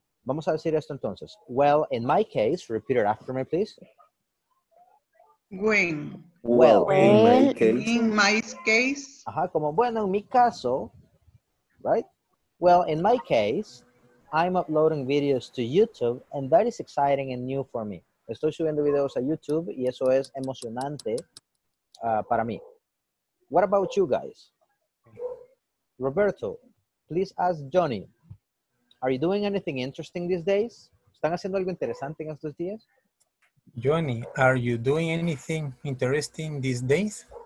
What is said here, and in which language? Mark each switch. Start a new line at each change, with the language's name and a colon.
Spanish: Vamos a decir esto entonces.
English: Well, in my case, repeat it after me, please. When. Well, in my case.
Spanish: Ajá, como bueno, en mi caso,
English: right? Well, in my case, I'm uploading videos to YouTube and that is exciting and new for me.
Spanish: Estoy subiendo videos a YouTube y eso es emocionante para mí.
English: What about you guys? Roberto, please ask Johnny, are you doing anything interesting these days?
Spanish: ¿Están haciendo algo interesante en estos días?
English: Johnny, are you doing anything interesting these days?